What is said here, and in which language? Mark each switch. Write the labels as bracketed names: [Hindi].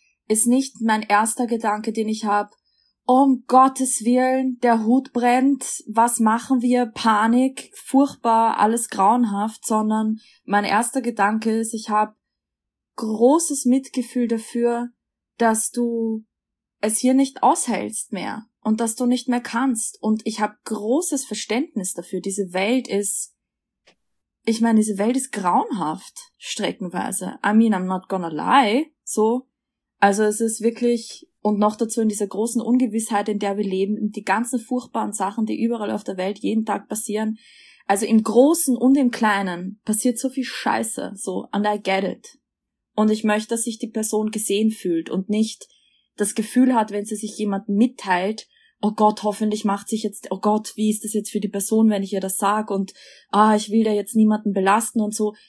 [German] ist nicht mein erster Gedanke, den ich habe, um Gottes Willen, der Hut brennt, was machen wir, Panik, furchtbar, alles grauenhaft, sondern mein erster Gedanke ist, ich habe großes Mitgefühl dafür, dass du es hier nicht aushältst mehr und dass du nicht mehr kannst. Und ich habe großes Verständnis dafür, diese Welt ist grauenhaft, streckenweise. [English] I mean, I'm not gonna lie, so. [German] Also es ist wirklich... Und noch dazu in dieser großen Ungewissheit, in der wir leben, die ganzen furchtbaren Sachen, die überall auf der Welt jeden Tag passieren. Also im Großen und im Kleinen passiert so viel Scheiße, so, [English] and I get it. [German] Und ich möchte, dass sich die Person gesehen fühlt und nicht das Gefühl hat, wenn sie sich jemand mitteilt, oh Gott, hoffentlich macht sich jetzt, oh Gott, wie ist das jetzt für die Person, wenn ich ihr das sag und, ah, ich will da jetzt niemanden belasten und so.